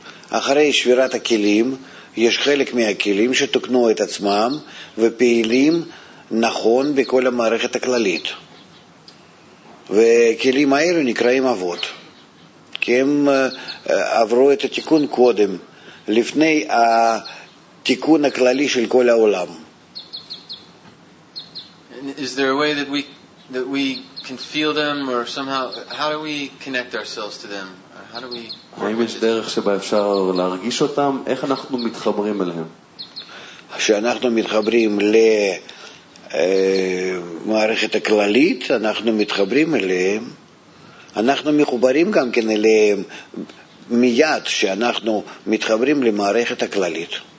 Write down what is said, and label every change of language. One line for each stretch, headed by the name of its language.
Hebrew: אחרי שבירת הכלים, יש חלק מהכלים שתוקנו את עצמם ופעילים נכון בכל המערכת הכללית. וכלים האלו נקראים אבות, כי הם עברו את התיקון קודם, לפני התיקון הכללי של כל העולם.
English: Is there a way that we can feel them, or somehow how do we connect ourselves to them?
Hebrew: האם יש דרך שבה אפשר להרגיש אותם? איך אנחנו מתחברים אליהם? כשאנחנו מתחברים למערכת הכללית, אנחנו מתחברים אליהם, אנחנו מחוברים גם כן אליהם מיד שאנחנו מתחברים למערכת הכללית.